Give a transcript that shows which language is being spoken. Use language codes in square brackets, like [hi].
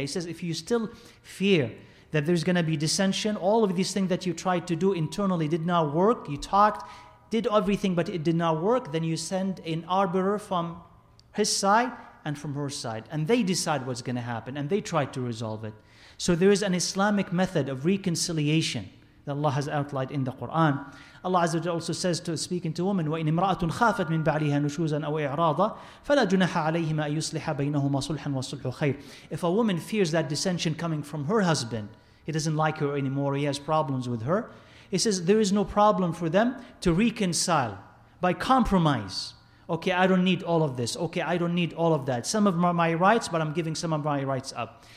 [en] He says, if you still fear that there's going to be dissension, all of these things that you tried to do internally did not work, you talked, did everything, but it did not work, then you send an arbiter from his side and from her side. And they decide what's going to happen, and they try to resolve it. So there is an Islamic method of reconciliation that Allah has outlined in the Quran. Allah Azza wa Jalla also says, to speaking to women, [ar] وَإِنْ إِمْرَأَةٌ خَافَتْ مِنْ بَعْلِهَا نُشُوزًا أَوْ إِعْرَاضًا فَلَا جُنَحَ عَلَيْهِمَا أَنْ يُصْلِحَ بَيْنَهُمَا صُلْحًا وَصُلْحُ خَيْرٍ. [en] If a woman fears that dissension coming from her husband, he doesn't like her anymore, he has problems with her, he says there is no problem for them to reconcile by compromise. Okay, I don't need all of this. Okay, I don't need all of that. Some of my rights, but I'm giving some of my rights up.